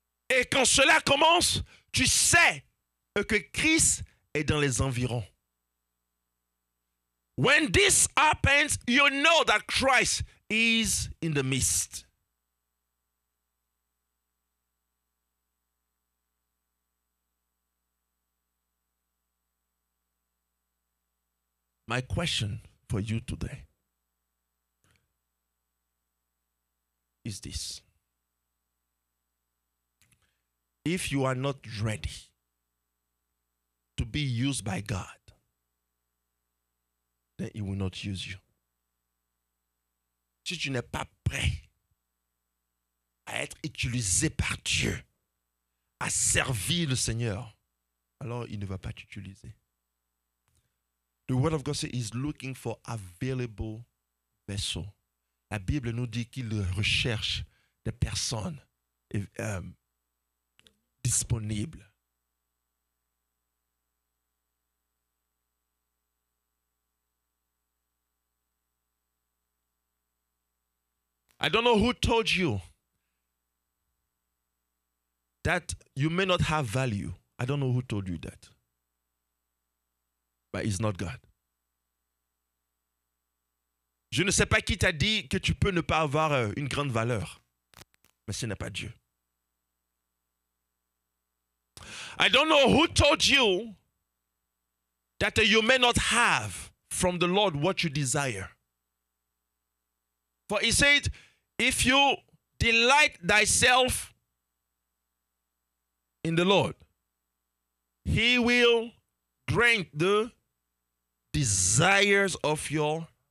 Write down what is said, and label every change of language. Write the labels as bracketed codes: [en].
[fr] Et quand cela commence, tu sais que Christ est dans les environs. [en] When this happens, you know that Christ is in the midst. My question for you today is this. If you are not ready to be used by God, then He will not use you. [fr] Si tu n'es pas prêt à être utilisé par Dieu, à servir le Seigneur, alors il ne va pas t'utiliser. [en] The Word of God says He's looking for available vessels. [fr] La Bible nous dit qu'il recherche des personnes. Disponible. [en] I don't know who told you that you may not have value. I don't know who told you that. But it's not God. [fr] Je ne sais pas qui t'a dit que tu peux ne pas avoir une grande valeur. Mais ce n'est pas Dieu. [en] I don't know who told you that you may not have from the Lord what you desire. For he said, if you delight thyself in the Lord, he will grant the desires of your